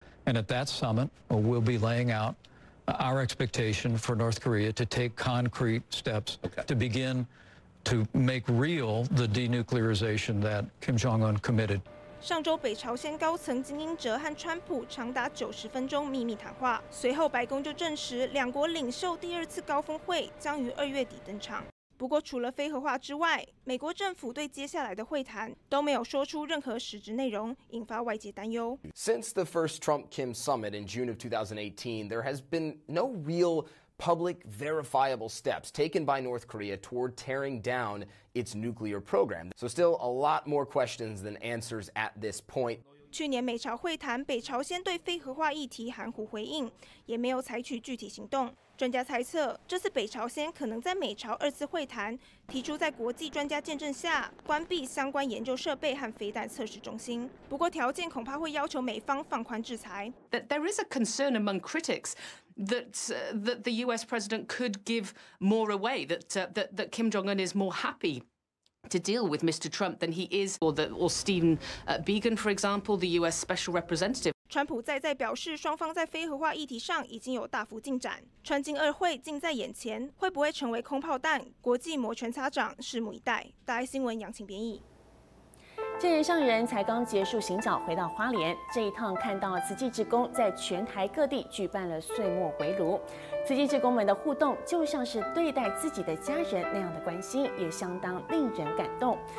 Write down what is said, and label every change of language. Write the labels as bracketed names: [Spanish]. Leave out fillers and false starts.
[English] And at that summit, we'll be laying out our expectation for North Korea to take concrete steps to begin to make real the denuclearization that Kim Jong-un committed. [Chinese] 上周北朝鲜高层金英哲和川普长达90分钟秘密谈话，随后白宫就证实两国领袖第二次高峰会将于2月底登场。不过除了非核化之外，美国政府对接下来的会谈都没有说出任何实质内容，引发外界担忧。 [English] Since the first Trump-Kim summit in June of 2018, there has been no real public verifiable steps taken by North Korea toward tearing down its nuclear program. So still a lot more questions than answers at this point. [Chinese] 去年美朝会谈，北朝鲜对非核化议题含糊回应，也没有采取具体行动。专家猜测，这次北朝鲜可能在美朝二次会谈提出，在国际专家见证下关闭相关研究设备和飞弹测试中心。不过，条件恐怕会要求美方放宽制裁。 [English] That there is a concern among critics that the U.S. president could give more away, that Kim Jong-un is more happy to deal with Mr. Trump than he is, or Stephen Biegun, for example, the U.S. special representative. [Chinese] 川普再表示，双方在非核化议题上已经有大幅进展，川金二会近在眼前，会不会成为空炮弹？国际摩拳擦掌，拭目以待。大爱新闻杨晴编译。建仁上人才刚结束行脚，回到花莲，这一趟看到慈济志工在全台各地举办了岁末围炉，慈济志工们的互动就像是对待自己的家人那样的关心，也相当令人感动。